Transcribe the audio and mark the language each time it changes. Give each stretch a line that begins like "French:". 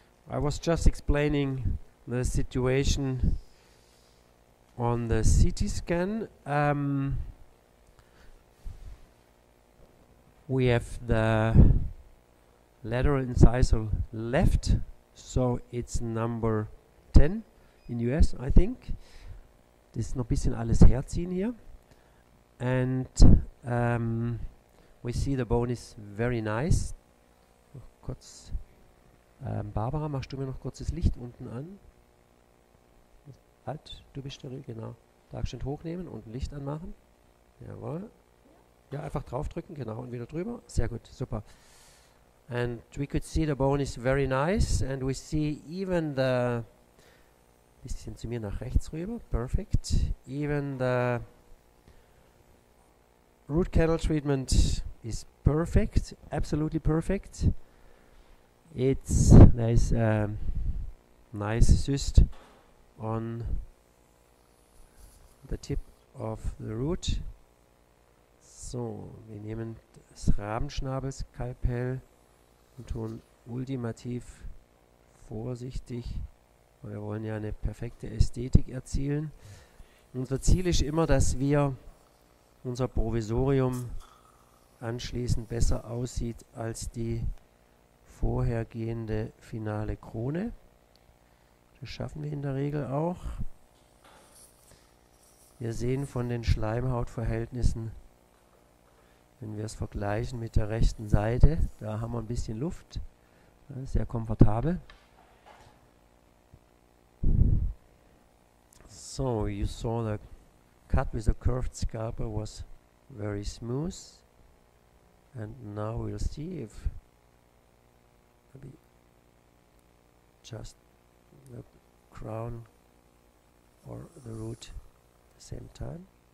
English: I was just explaining the situation on the CT scan. We have the lateral incisal left, so it's number 10 in US, I think.
German: Das ist noch ein bisschen alles herziehen hier.
English: And we see the bone is very nice.
German: Noch kurz. Barbara, machst du mir noch kurz das Licht unten an? Halt, du bist steril, genau. Darkstand hochnehmen und Licht anmachen. Jawohl. Ja, einfach draufdrücken, genau, und wieder drüber. Sehr gut, super.
English: And we could see the bone is very nice and we see even the,
German: bisschen zu mir nach rechts rüber, perfect.
English: Even the root canal treatment is perfect, absolutely perfect. It's there's a nice cyst on the tip of the root.
German: So, wir nehmen das Rabenschnabelskalpell und tun ultimativ vorsichtig, weil wir wollen ja eine perfekte Ästhetik erzielen. Unser Ziel ist immer, dass wir unser Provisorium anschließend besser aussieht als die vorhergehende finale Krone. Das schaffen wir in der Regel auch. Wir sehen von den Schleimhautverhältnissen, wenn wir es vergleichen mit der rechten Seite, da haben wir ein bisschen Luft, sehr komfortabel.
English: So, you saw the cut with a curved scalpel was very smooth. And now we'll see if maybe just the crown or the root at the same time.